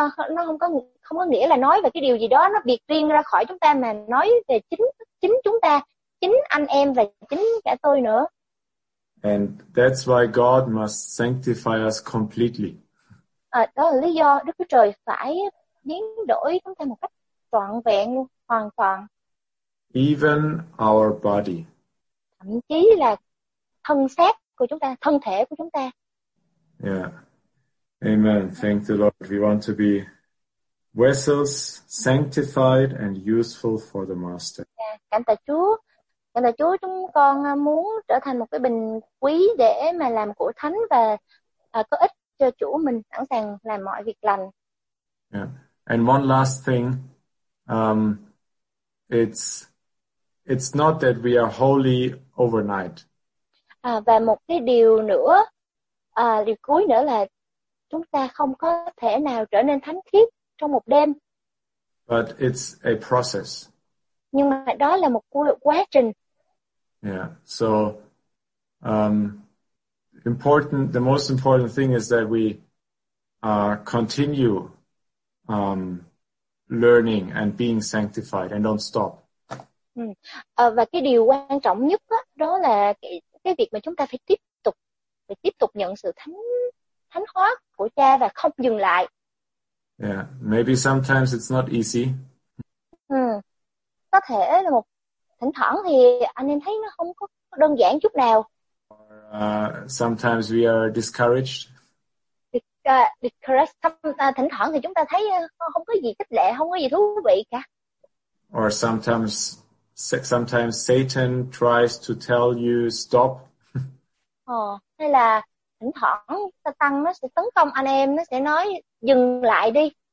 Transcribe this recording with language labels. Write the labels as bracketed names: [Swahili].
[Vietnamese] Nó không có nghĩa là nói về cái điều gì đó nó biệt riêng ra khỏi chúng ta mà nói về chính chúng ta, chính anh em và chính cả tôi nữa. [English] And that's why God must sanctify us completely. [Vietnamese] Đó là lý do Đức Chúa Trời phải biến đổi chúng ta một cách trọn vẹn hoàn toàn. [English] Even our body. [Vietnamese] Thậm chí là thân xác của chúng ta, thân thể của chúng ta. [English] Yeah. Amen. Thank the Lord. We want to be vessels sanctified and useful for the Master. [Vietnamese] Cảm tạ Chúa, chúng con muốn trở thành một cái bình quý để mà làm của thánh và có ích cho chủ mình, sẵn sàng làm mọi việc lành. Yeah. [English] And one last thing, it's not that we are holy overnight. [Vietnamese] Và một cái điều cuối nữa là chúng ta không có thể nào trở nên thánh khiết trong một đêm. [English] But it's a process. [Vietnamese] Nhưng mà đó là một quá trình. Yeah. [English] So the most important thing is that we continue learning and being sanctified and don't stop. [Vietnamese] Và cái điều quan trọng nhất đó là cái việc mà chúng ta phải tiếp tục nhận sự thánh hóa của Cha và không dừng lại. [English] Yeah, maybe sometimes it's not easy. [Vietnamese] Có thể là một thỉnh thoảng thì anh em thấy nó không có đơn giản chút nào. [English] Sometimes we are discouraged. [Vietnamese] Thỉnh thoảng thì chúng ta thấy không có gì khích lệ, không có gì thú vị cả. [English] Or sometimes Satan tries to tell you stop. [Vietnamese] Hay là thỉnh thoảng Satan nó sẽ tấn công anh em, nó sẽ nói dừng lại đi.